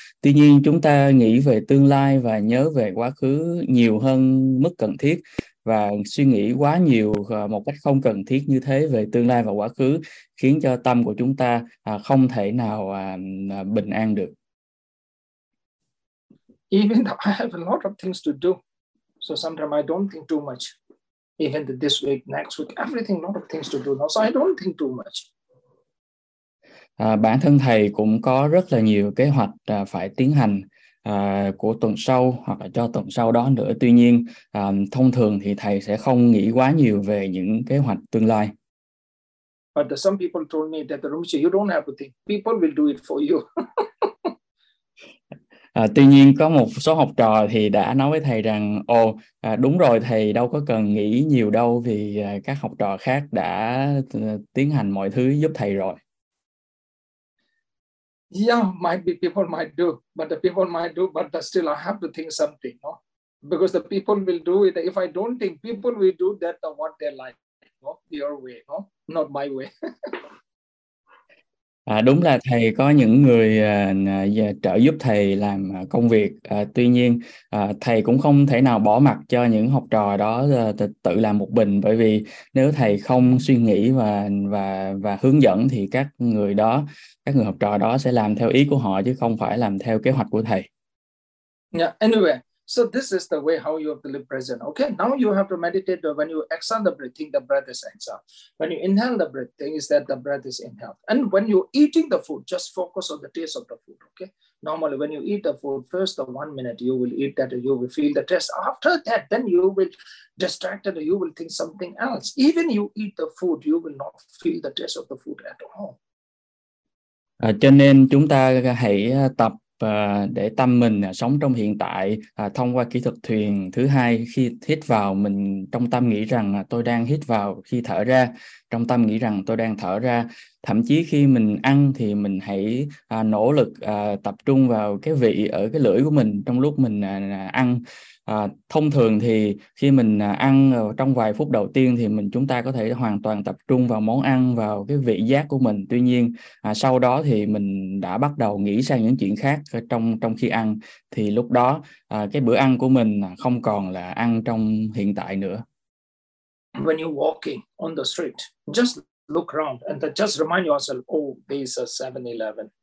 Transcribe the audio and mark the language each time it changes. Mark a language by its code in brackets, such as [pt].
[vi] Tuy nhiên chúng ta nghĩ về tương lai và nhớ về quá khứ nhiều hơn mức cần thiết và suy nghĩ quá nhiều một cách không cần thiết như thế về tương lai và quá khứ khiến cho tâm của chúng ta không thể nào bình an được. [en] Even though I have a lot of things to do, so sometimes I don't think too much. Even this week, next week, everything, a lot of things to do now, so I don't think too much. [vi] Bản thân thầy cũng có rất là nhiều kế hoạch phải tiến hành của tuần sau hoặc là cho tuần sau đó nữa. Tuy nhiên, thông thường thì thầy sẽ không nghĩ quá nhiều về những kế hoạch tương lai. [en] But some people told me that Rumchi, you don't have to think. People will do it for you. [vi] Tuy nhiên có một số học trò thì đã nói với thầy rằng ồ, đúng rồi thầy đâu có cần nghĩ nhiều đâu vì các học trò khác đã tiến hành mọi thứ giúp thầy rồi. [en] Yeah, might be people might do, but the people might do, but the still I have to think something, no? Because the people will do it. If I don't think, people will do that the what they like, no? Your way, no? Not my way. [vi] Đúng là thầy có những người trợ giúp thầy làm công việc. Tuy nhiên, thầy cũng không thể nào bỏ mặc cho những học trò đó tự làm một mình. Bởi vì nếu thầy không suy nghĩ và hướng dẫn thì các người học trò đó sẽ làm theo ý của họ chứ không phải làm theo kế hoạch của thầy. [en] Yeah, anyway, so this is the way how you have to live present. Okay, now you have to meditate when you exhale the breathing, the breath is exhale. When you inhale the breathing, is that the breath is inhale. And when you're eating the food, just focus on the taste of the food. Okay, normally when you eat the food, first the 1 minute you will eat that, you will feel the taste. After that, then you will distracted, you will think something else. Even you eat the food, you will not feel the taste of the food at all. [vi] Cho nên chúng ta hãy tập để tâm mình sống trong hiện tại thông qua kỹ thuật thiền thứ hai. Khi hít vào, mình trong tâm nghĩ rằng tôi đang hít vào. Khi thở ra, trong tâm nghĩ rằng tôi đang thở ra. Thậm chí khi mình ăn thì mình hãy nỗ lực tập trung vào cái vị ở cái lưỡi của mình trong lúc mình ăn. Thông thường thì khi mình ăn trong vài phút đầu tiên thì chúng ta có thể hoàn toàn tập trung vào món ăn, vào cái vị giác của mình. Tuy nhiên sau đó thì mình đã bắt đầu nghĩ sang những chuyện khác trong khi ăn, thì lúc đó cái bữa ăn của mình không còn là ăn trong hiện tại nữa. [en] When you're walking on the street, just look around and just remind yourself, oh, these are 7-Eleven.